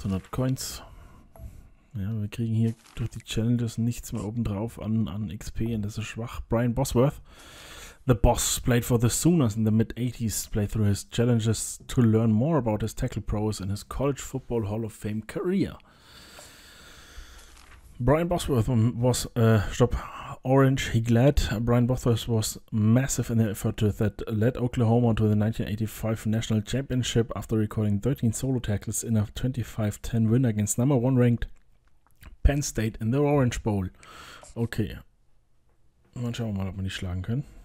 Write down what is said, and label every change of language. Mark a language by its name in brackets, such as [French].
[German] Coins. Ja, wir kriegen hier durch die Challenges nichts mehr obendrauf an XP und das ist schwach. [English] Brian Bosworth. The Boss played for the Sooners in the mid-80s, played through his challenges to learn more about his tackle prowess in his College Football Hall of Fame career. Brian Bosworth was, Orange, he glad. Brian Bosworth was massive in the effort that led Oklahoma to the 1985 National Championship after recording 13 solo tackles in a 25-10 win against number one ranked Penn State in the Orange Bowl. [German] Okay, dann schauen wir mal, ob wir die schlagen können.